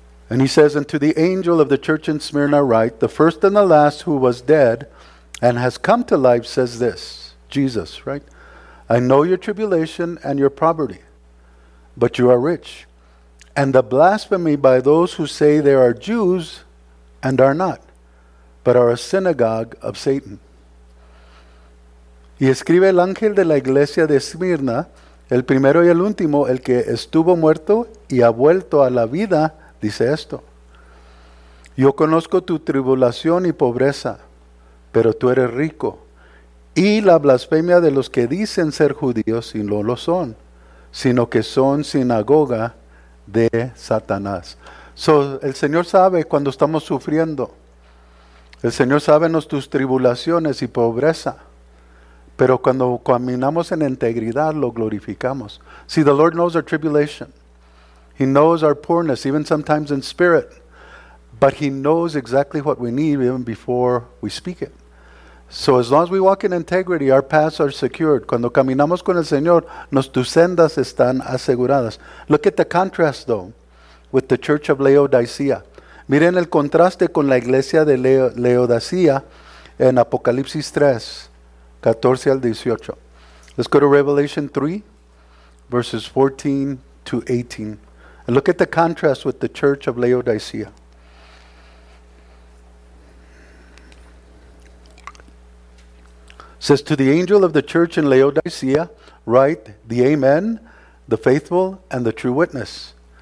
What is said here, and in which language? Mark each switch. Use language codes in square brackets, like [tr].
[en] And he says, and to the angel of the church in Smyrna write, the first and the last who was dead and has come to life says this, Jesus, right? I know your tribulation and your poverty, but you are rich. And the blasphemy by those who say they are Jews and are not, but are a synagogue of Satan. [es] Y escribe el ángel de la iglesia de Esmirna, el primero y el último, el que estuvo muerto y ha vuelto a la vida, dice esto. Yo conozco tu tribulación y pobreza, pero tú eres rico, y la blasfemia de los que dicen ser judíos y no lo son, sino que son sinagoga de Satanás. So, el Señor sabe cuando estamos sufriendo. El Señor sabe nuestras tribulaciones y pobreza. Pero cuando caminamos en integridad, lo glorificamos. [en] See, the Lord knows our tribulation. He knows our poorness, even sometimes in spirit. But He knows exactly what we need even before we speak it. So as long as we walk in integrity, our paths are secured. [es] Cuando caminamos con el Señor, nuestras sendas están aseguradas. [en] Look at the contrast, though, with the church of Laodicea. [es] Miren el contraste con la iglesia de Laodicea en Apocalipsis 3, 14 al 18. [en] Let's go to Revelation 3, verses 14 to 18. And look at the contrast with the church of Laodicea. Says, to the angel of the church in Laodicea, write the Amen, the faithful and the true witness.